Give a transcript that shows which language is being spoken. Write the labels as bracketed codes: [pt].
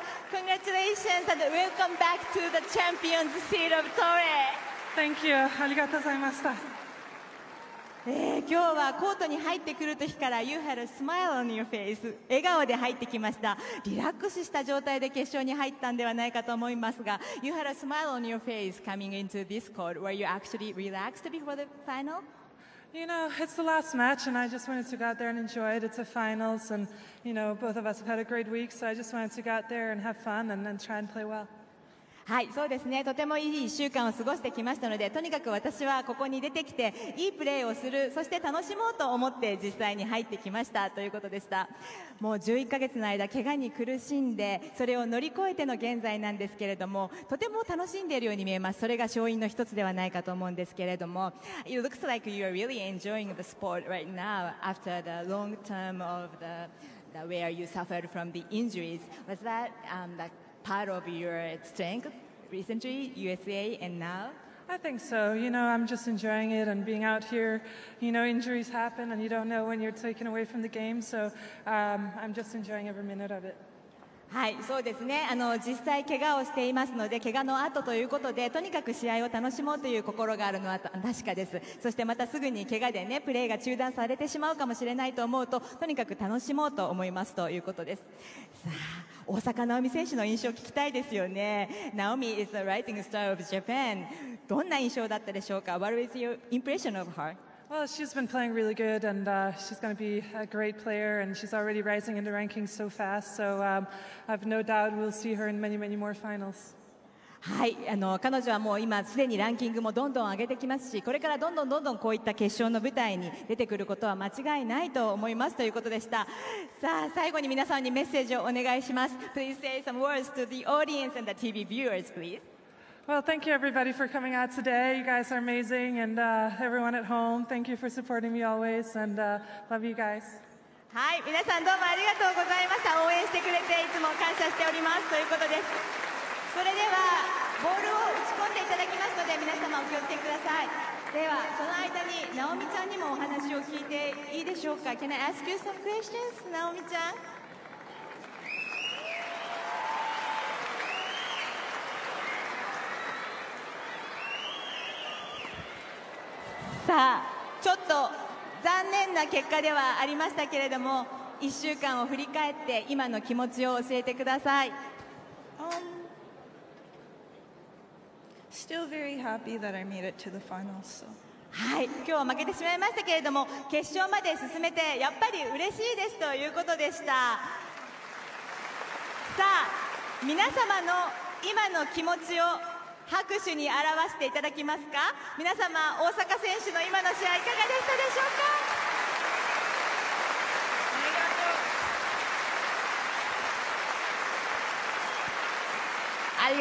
[en] Congratulations and welcome back to the champion's seat of Torre. Thank you. [ja] ありがとうございました。今日はコートに入ってくる時から [en] You had a smile on your face. [ja] 笑顔で入ってきました。リラックスした状態で決勝に入ったんではないかと思いますが [en] You had a smile on your face coming into this court. Were you actually relaxed before the final? You know, it's the last match, and I just wanted to go out there and enjoy it. It's a finals, and, you know, both of us have had a great week, so I just wanted to go out there and have fun and try and play well. [ja] はい、そうですね。とてもいい一週間を過ごしてきましたので、とにかく私はここに出てきて、いいプレーをする、そして楽しもうと思って実際に入ってきましたということでした。もう11ヶ月の間、怪我に苦しんで、それを乗り越えての現在なんですけれども、とても楽しんでいるように見えます。それが勝因の一つではないかと思うんですけれども。 [en] It looks like you are really enjoying the sport right now after the long term of the where you suffered from the injuries. Was that, part of your strength recently, USA and now? I think so. You know, I'm just enjoying it and being out here. You know, injuries happen and you don't know when you're taken away from the game. So, I'm just enjoying every minute of it. [ja] はい、そうですね。実際怪我をしていますので、怪我の後ということで、とにかく試合を楽しもうという心があるのは確かです。そしてまたすぐに怪我でね、プレーが中断されてしまうかもしれないと思うと、とにかく楽しもうと思いますということです。さあ、大坂なおみ選手の印象を聞きたいですよね。 [en] Naomi is the rising star of Japan. [ja] どんな印象だったでしょうか? [en] What was your impression of her? Well, she's been playing really good and she's going to be a great player and she's already rising in the rankings so fast. So I've no doubt we'll see her in many, many more finals. [ja] はい、彼女はもう今すでにランキングもどんどん上げてきますし、これからどんどんどんどんこういった決勝の舞台に出てくることは間違いないと思いますということでした。さあ、最後に皆さんにメッセージをお願いします。 [en] Please say some words to the audience and the TV viewers, please. Well, thank you everybody for coming out today. You guys are amazing. And, everyone at home, thank you for supporting me always. And, love you guys. [ja] はい、皆さんどうもありがとうございました。応援してくれていつも感謝しておりますということです。それでは、ボールを打ち込んでいただきますので、皆様お気をつけください。では、その間に、ナオミちゃんにもお話を聞いていいでしょうか ? [en] Can I ask you some questions, [ja] ナオミちゃん? さあ、ちょっと残念な結果ではありましたけれども、1週間を振り返って今の気持ちを教えてください。 [en] Still very happy that I made it to the finals, so. [ja] はい、今日は負けてしまいましたけれども、決勝まで進めてやっぱり嬉しいですということでした。さあ、皆様の今の気持ちを拍手に表していただきますか。皆様、大坂選手の今の試合いかがでしたでしょうか。